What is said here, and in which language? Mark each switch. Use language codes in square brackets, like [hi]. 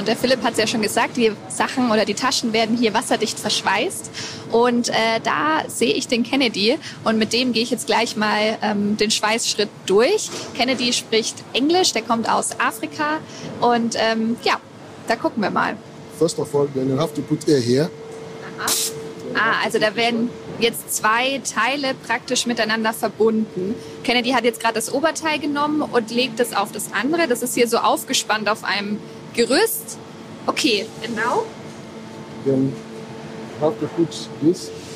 [de] Und der Philipp hat es ja schon gesagt, die Sachen oder die Taschen werden hier wasserdicht verschweißt. Und da sehe ich den Kennedy und mit dem gehe ich jetzt gleich mal den Schweißschritt durch. Kennedy spricht Englisch, der kommt aus Afrika und ja, da gucken wir mal. [en] First of all, then you have to put air here. [de] Aha. Ah, also da werden jetzt zwei Teile praktisch miteinander verbunden. Kennedy hat jetzt gerade das Oberteil genommen und legt es auf das andere. Das ist hier so aufgespannt auf einem Gerüst. Okay, genau. [en] Then have to put this.